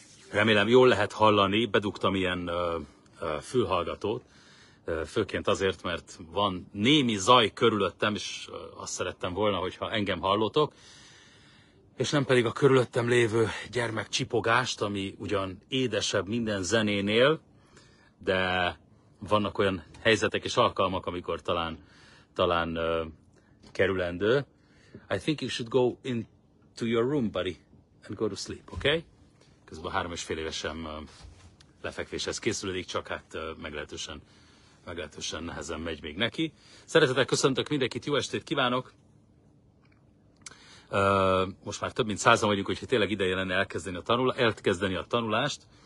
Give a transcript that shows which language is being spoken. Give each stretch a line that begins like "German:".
Hungarian: Remélem jól lehet hallani, bedugtam ilyen fülhallgatót, főként azért, mert van némi zaj körülöttem, és azt szerettem volna, hogyha engem hallotok, és nem pedig a körülöttem lévő gyermek csipogást, ami ugyan édesebb minden zenénél, de vannak olyan helyzetek és alkalmak, amikor talán kerülendő.
English: I think you should go into your room, buddy, and go to sleep, okay?
Hungarian: Közben a 3,5 évesem lefekvéshez készülődik, csak hát meglehetősen nehezen megy még neki. Szeretettel köszöntök mindenkit, jó estét kívánok! Most már több mint 100-an vagyunk, hogyha tényleg ideje lenne elkezdeni a tanulást.